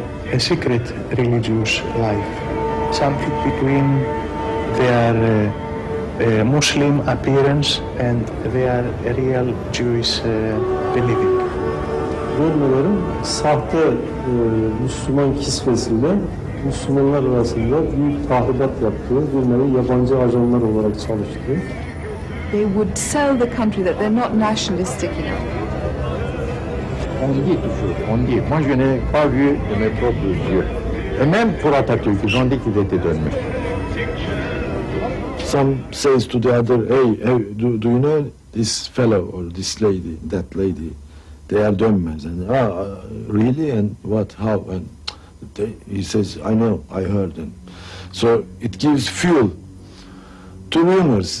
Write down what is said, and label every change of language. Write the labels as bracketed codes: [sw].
[en] A secret religious life, something between their Muslim appearance and their real Jewish believing. [tr] Dönmelerin sahte Müslüman kisvesinde Müslümanlar arasında büyük tahribat yaptığı, dönmeleri yabancı ajanlar olarak çalıştı. [en] They would sell the country that they're not nationalistic enough. [fr] On dit toujours, on dit. Moi, je n'ai pas vu de mes propres yeux. Et même pour Atatürk, ils ont dit qu'il était donné. [en] Some says to the other, hey, do you know this fellow or this lady, that lady? They are dummies. And ah, really? And what? How? And he says, I know, I heard. And so it gives fuel to rumors.